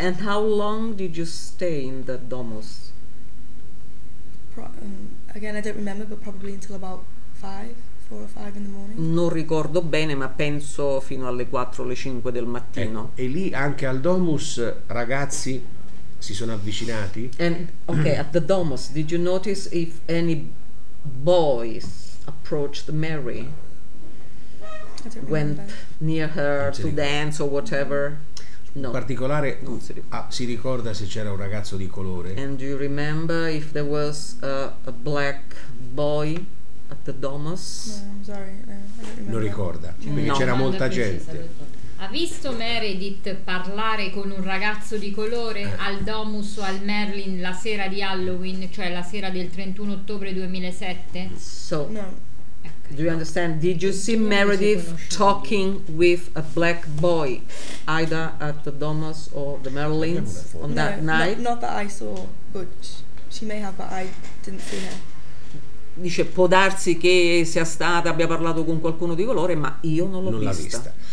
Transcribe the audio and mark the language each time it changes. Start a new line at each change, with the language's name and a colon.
English: And how long did you stay in the Domus? Again, I don't remember, but probably until about 4 or 5 in the morning.
Italian: Non ricordo bene, ma penso fino alle 4 o le 5 del mattino. E lì anche al Domus ragazzi si sono avvicinati.
English: And okay, at the Domus, did you notice if any boys approached Mary? Went near her to dance or whatever? No.
Italian: In particolare si ricorda se c'era un ragazzo di colore?
English: And do you remember if there was a black boy at the Domus?
Italian: Non ricorda, perché c'era molta gente. Ha visto Meredith parlare con un ragazzo di colore al Domus o al Merlin la sera di Halloween, cioè la sera del 31 ottobre 2007?
English: So, no. Okay. Do you understand? Did you see Meredith talking with a black boy either at the Domus or the Merlins on that night? Not that I saw, but she may have, but I didn't see her.
Italian: Dice, può darsi che sia stata, abbia parlato con qualcuno di colore, ma io non l'ho vista.